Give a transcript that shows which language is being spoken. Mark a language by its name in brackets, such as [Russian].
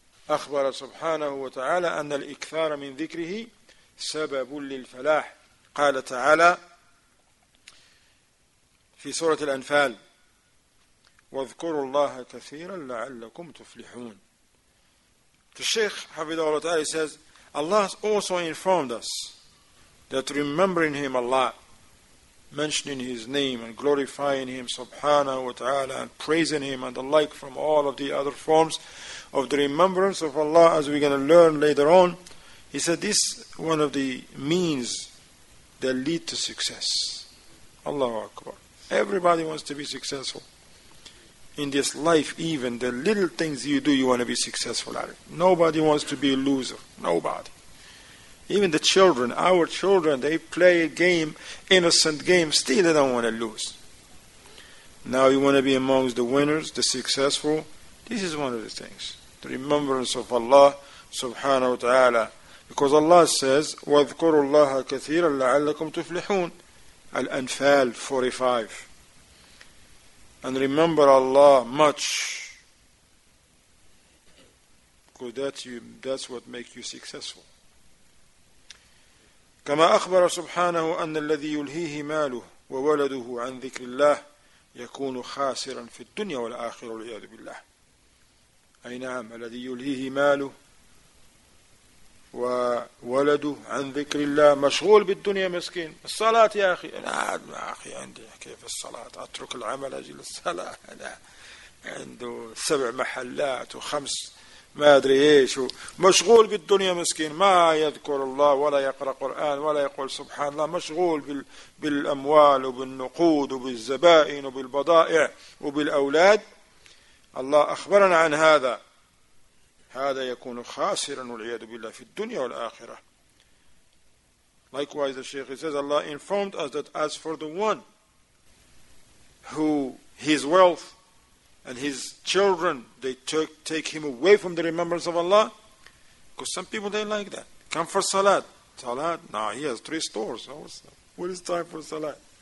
[Arabic] أخبر سبحانه وتعالى أن الإكثار من ذكره سبب للفلاح. قال تعالى في سورة الأنفال واذكروا الله كثيرا لعلكم تفلحون. [English] The Sheikh [Arabic] حفظه الله تعالى [English] says Allah also informed us that remembering him a lot, mentioning his name and glorifying him subhanahu wa ta'ala and praising him and the like from all of the other forms of the remembrance of Allah, as we're going to learn later on, he said this one of the means that lead to success. Allahu Akbar. Everybody wants to be successful. in this life, even the little things you do, you want to be successful at it. Nobody wants to be a loser. Nobody. Even the children, our children, they play a game, innocent game, still they don't want to lose. Now you want to be amongst the winners, the successful. This is one of the things. The remembrance of Allah subhanahu wa ta'ala. Because Allah says, [Arabic] وَاذْكُرُوا اللَّهَ كَثِيرًا لَعَلَّكُمْ تُفْلِحُونَ [English] Al-Anfal 45. And remember Allah much. Because that's what makes you successful. [Arabic] كما أخبر سبحانه أن الذي يلهيه ماله وولده عن ذكر الله يكون خاسرا في الدنيا والآخرة والعياذ بالله. أي نعم الذي يلهيه ماله وولده عن ذكر الله مشغول بالدنيا مسكين الصلاة يا أخي لا ما أخي عندي كيف الصلاة أترك العمل أجل الصلاة لا عنده سبع محلات وخمس ما أدري إيش مشغول بالدنيا مسكين ما يذكر الله ولا يقرأ قرآن ولا يقول سبحان الله مشغول بالأموال وبالنقود وبالزبائن وبالبضائع وبالأولاد الله أخبرنا عن هذا هذا يكون خاسرا والعياذ بالله في الدنيا والآخرة. [English] Likewise, the Sheikh says, Allah informed us that as for the one who his wealth and his children, they take him away from the remembrance of Allah. Because some people, they like that. Come for Salat. Salat? No, he has three stores. What is time for Salat?